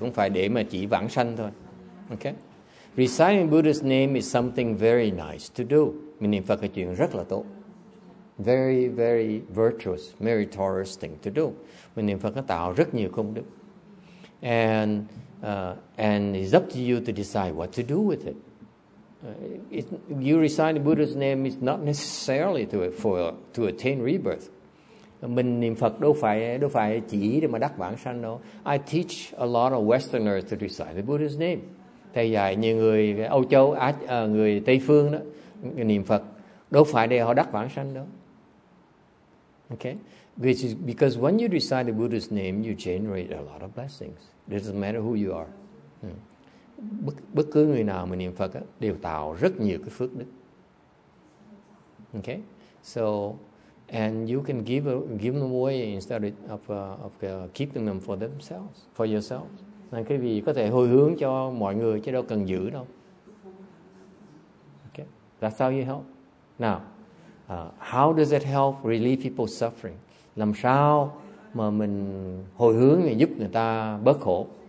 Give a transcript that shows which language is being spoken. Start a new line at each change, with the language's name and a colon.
Vietnamese: Không phải để mà chỉ vãng sanh thôi.
English: Okay? Reciting Buddha's name is something very nice to do.
Vietnamese: Mình niệm Phật là chuyện rất là tốt.
English: Very, very virtuous, meritorious thing to do.
Vietnamese: Mình niệm Phật nó tạo rất nhiều công đức.
English: And it's up to you to decide what to do with it. You recite the Buddha's name is not necessarily to attain rebirth.
Vietnamese: Mình niệm Phật đâu phải chỉ để mà đắc vãng sanh đâu.
English: I teach a lot of Westerners to recite the Buddha's name.
Vietnamese: Thầy dạy nhiều người Âu Châu, người Tây Phương đó, niệm Phật đâu phải để họ đắc vãng sanh đâu.
English: Okay, which is because when you recite the Buddha's name, you generate a lot of blessings. It doesn't matter who you are.
Vietnamese: Bất cứ người nào mà niệm Phật á, đều tạo rất nhiều cái phước đức.
English: Okay, so and you can give them away instead of keeping them for themselves, for yourself.
Vietnamese: Nên cái vị có thể hồi hướng cho mọi người chứ đâu cần giữ đâu.
English: Okay, that's how you help. Now. How does it help relieve people's suffering?
Vietnamese: Làm sao mà mình hồi hướng để giúp người ta bớt khổ?